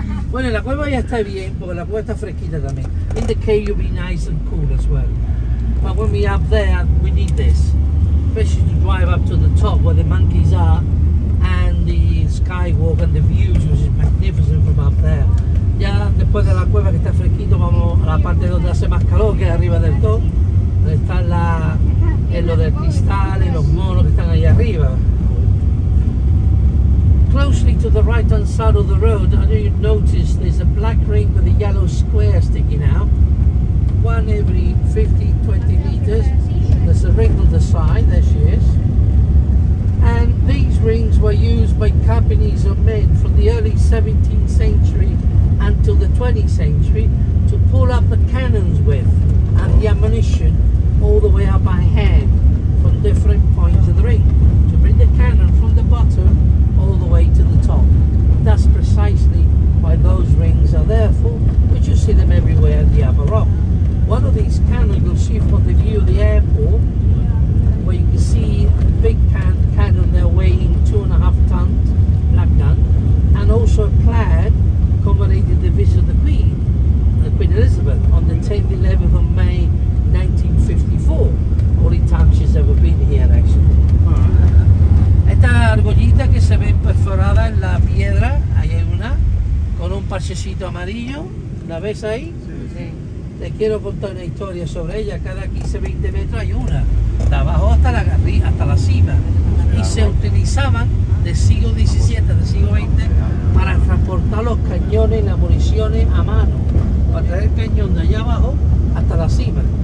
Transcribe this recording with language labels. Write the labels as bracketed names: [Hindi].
[Spanish] Bueno, la cueva ya está bien, porque la cueva está fresquita también. [English] In the cave you'll be nice and cool as well. But when we up there, we need this. Especially to drive up to the top where the monkeys are and the skywalk and the views, which is magnificent from up there. [Spanish] Ya después de la cueva que está fresquito, vamos a la parte donde hace más calor, que es arriba del top. Donde está la, en lo del cristal y los monos que están ahí arriba. [English] Closely to the right hand side of the road, I know you notice there's a black ring with a yellow square sticking out. One every 50, 20 meters. There's a ring on the side, there she is. And these rings were used by companies of men from the early 17th century until the 20th century to pull up the cannons with and the ammunition all the way up by hand from different points of the ring to bring the cannon from the bottom all the way to the top. That's precisely why those rings are there for, which you see them everywhere in the upper rock. One of these cannons you'll see from the view of the airport, where you can see a big cannon there weighing 2.5 tons, black gun, and also a plaid commemorating the visit of the Queen Elizabeth, on the 10th, 11th of May, 1954. Only time she's ever been here, actually. [Spanish] Esta argollita que se ve perforada en la piedra, ahí hay una, con un parchecito amarillo, ¿la ves ahí? Sí, sí. Te quiero contar una historia sobre ella, cada 15, 20 metros hay una, de abajo hasta la cima, y se utilizaban del siglo XVII, del siglo XX, para transportar los cañones y las municiones a mano, para traer el cañón de allá abajo hasta la cima.